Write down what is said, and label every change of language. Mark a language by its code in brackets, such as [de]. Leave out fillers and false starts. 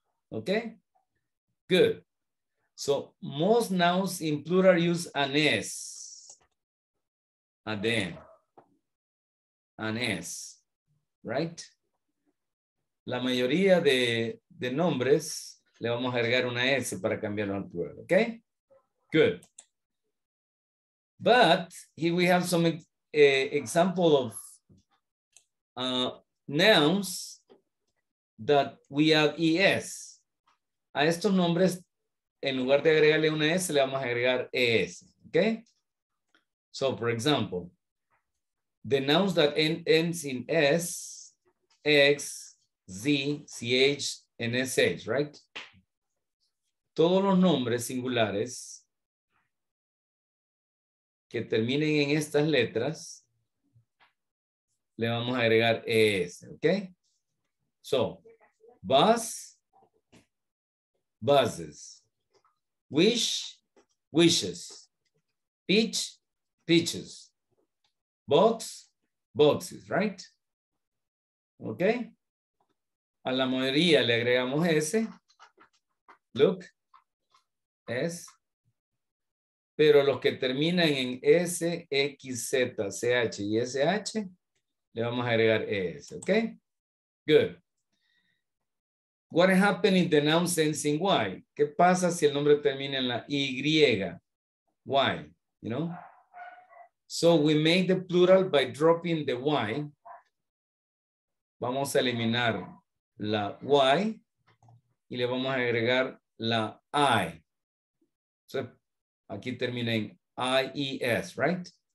[en] Okay, good. So most nouns in plural use an S. And then, an S, right? [es] La mayoría de nombres le vamos a agregar una S para cambiarlo al plural, okay? [en] Good. But here we have some example of nouns that we have ES. [es] A estos nombres, en lugar de agregarle una S, le vamos a agregar ES, okay? [en] So, for example, the nouns that ends in S, X, Z, CH, and SH, right? [es] Todos los nombres singulares que terminen en estas letras, le vamos a agregar ES, okay? [en] So, bus, buses. Wish, wishes. Peach, peaches. Box, boxes, right? Okay? [es] A la mayoría le agregamos S. Look. S. Pero los que terminan en S, X, Z, CH y SH, le vamos a agregar ES, okay? Good. [en] What happens if the noun ends in Y? [es] ¿Qué pasa si el nombre termina en la Y? [en] Y, you know? So we make the plural by dropping the Y. [es] Vamos a eliminar la Y y le vamos a agregar la I. So aquí termina en I-E-S, right?